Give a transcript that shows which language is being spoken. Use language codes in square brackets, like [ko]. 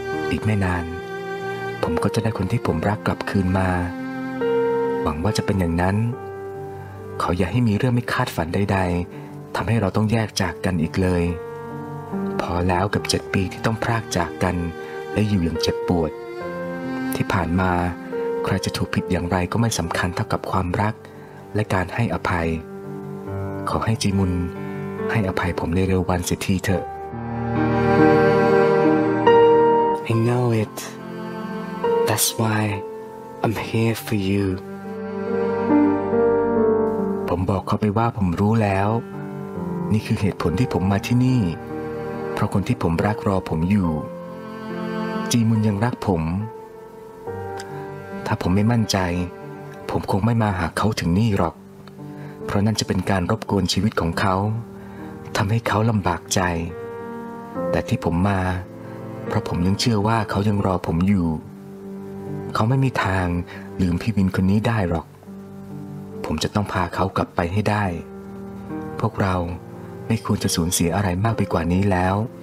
[th] อีกไม่นานผมก็จะได้คนที่ผมรักกลับคืนมาหวังว่าจะเป็นอย่างนั้นขออย่าให้มีเรื่องไม่คาดฝันใดๆทำให้เราต้องแยกจากกันอีกเลยพอแล้วกับ7ปีที่ต้องพรากจากกันและอยู่อย่างเจ็บปวดที่ผ่านมา ใครจะถูกผิดอย่างไรก็ไม่สำคัญเท่ากับความรักและการให้อภัยขอให้จีมุนให้อภัยผมในเร็ววันเสียทีเถอะ [en] I know it That's why I'm here for you [th] ผมบอกเขาไปว่าผมรู้แล้วนี่คือเหตุผลที่ผมมาที่นี่เพราะคนที่ผมรักรอผมอยู่จีมุนยังรักผม ถ้าผมไม่มั่นใจผมคงไม่มาหาเขาถึงนี่หรอกเพราะนั่นจะเป็นการรบกวนชีวิตของเขาทำให้เขาลำบากใจแต่ที่ผมมาเพราะผมยังเชื่อว่าเขายังรอผมอยู่เขาไม่มีทางลืมพี่วินคนนี้ได้หรอกผมจะต้องพาเขากลับไปให้ได้พวกเราไม่ควรจะสูญเสียอะไรมากไปกว่านี้แล้ว